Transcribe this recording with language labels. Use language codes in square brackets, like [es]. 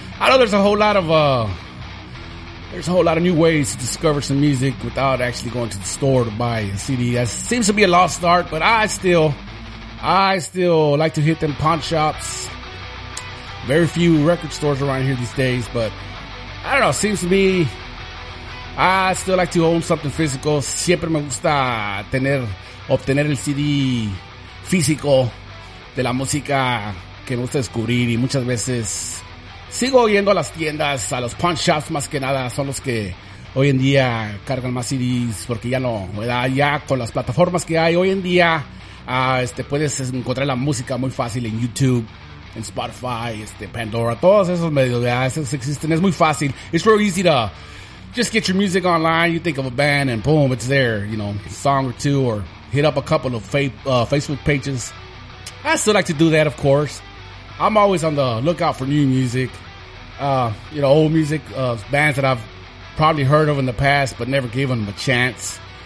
[en] I know there's a whole lot of there's a whole lot of new ways to discover some music without actually going to the store to buy a CD. That seems to be a lost art, but I still like to hit them pawn shops. Very few record stores around here these days, but I don't know. Seems to me, I still like to own something physical. [es] Siempre me gusta obtener el CD físico de la música que me gusta descubrir, y muchas veces sigo yendo a las tiendas, a los pawn shops más que nada, son los que hoy en día cargan más CDs, porque ya no, ¿verdad? Ya con las plataformas que hay hoy en día, puedes encontrar la música muy fácil en YouTube, en Spotify, Pandora, todos esos medios, ¿verdad? Esos existen, es muy fácil. [en] It's real easy to just get your music online, you think of a band and boom, it's there, you know, a song or two, or hit up a couple of Facebook pages. I still like to do that, of course. I'm always on the lookout for new music, old music, bands that I've probably heard of in the past, but never gave them a chance.